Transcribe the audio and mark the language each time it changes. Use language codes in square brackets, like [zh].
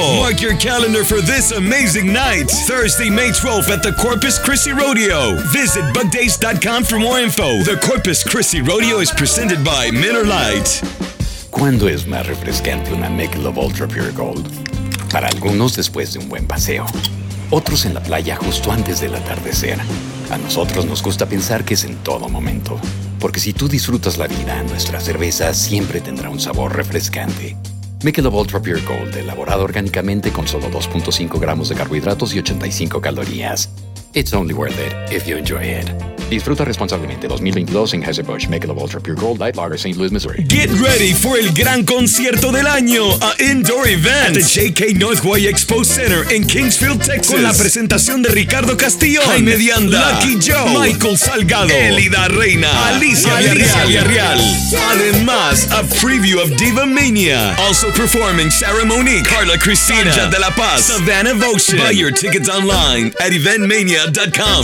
[en] Mark your calendar for this amazing night, Thursday, May 12th at the Corpus Christi Rodeo. Visit bugdays.com for more info. The Corpus Christi Rodeo is presented by Miller Lite. [es] ¿Cuándo es más refrescante una Michelob Ultra Pure Gold? Para algunos después de un buen paseo. Otros en la playa justo antes del atardecer. A nosotros nos gusta pensar que es en todo momento. Porque si tú disfrutas la vida, nuestra cerveza siempre tendrá un sabor refrescante. Michelob Ultra Pure Gold, elaborado orgánicamente con solo 2.5 gramos de carbohidratos y 85 calorías. [en] It's only worth it if you enjoy it. [es] Disfruta responsablemente 2022 en Anheuser-Busch Michelob Ultra Pure Gold Light Lager, St. Louis, Missouri. [en] Get ready for [es] el gran concierto del año, [en] a indoor event at the J.K. [es] Northway Expo Center in Kingsfield, Texas, con la presentación de Ricardo Castillo, Jaime Dianda, Lucky Joe, Michael Salgado, Elida Reina, Alicia Villarreal. Además, [en] a preview of Diva Mania. Also performing Sarah Monique, Carla Cristina, Sanja de la Paz, Savannah Voce. Buy your tickets online at eventmania.com.